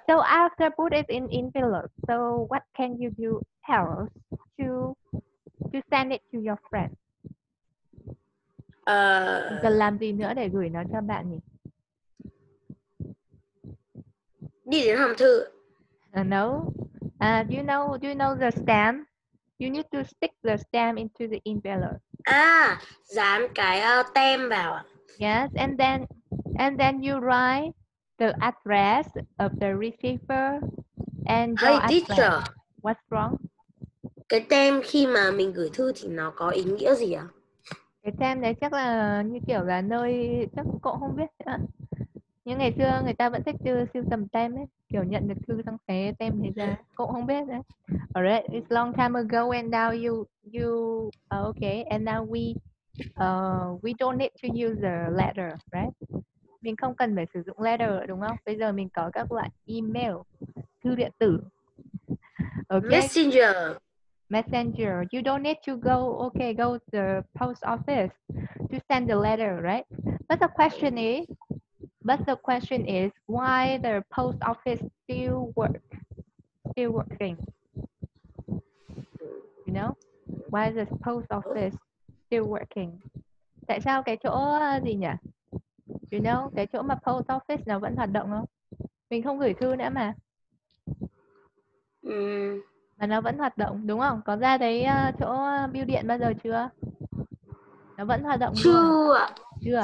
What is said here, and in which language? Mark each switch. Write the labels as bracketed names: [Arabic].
[English] So after put it in envelope, so what can you do else to send it to your friend? [Vietnamese] Cần làm gì nữa để gửi nó cho bạn nhỉ? Đi đến hòm thư. [English] No. Do you know the stamp? You need to stick the stamp into the envelope. [Vietnamese] Dán cái tem vào. [English] Yes, and then you write the address of the receiver and your address. Teacher. What's wrong? [Vietnamese] Cái tem khi mà mình gửi thư thì nó có ý nghĩa gì ạ? Cái tem đấy chắc là như kiểu là nơi chắc cậu không biết nữa. Nhưng ngày xưa người ta vẫn thích sưu tầm tem ấy, kiểu nhận được thư xong xé tem thế ra, cũng không biết đấy. [English] Alright, it's long time ago and now we don't need to use the letter, right? [Vietnamese] Mình không cần phải sử dụng letter đúng không? Bây giờ mình có các loại email, thư điện tử. [English] Okay. Messenger. You don't need to go to the post office to send the letter, right? But the question is, why the post office still working? You know, why is the post office still working? [Vietnamese] Tại sao cái chỗ gì nhỉ? [English] You know, [Vietnamese] cái chỗ mà post office nó vẫn hoạt động không? Mình không gửi thư nữa mà. Mà nó vẫn hoạt động đúng không? Có ra thấy chỗ bưu điện bao giờ chưa? Nó vẫn hoạt động chưa? Chưa.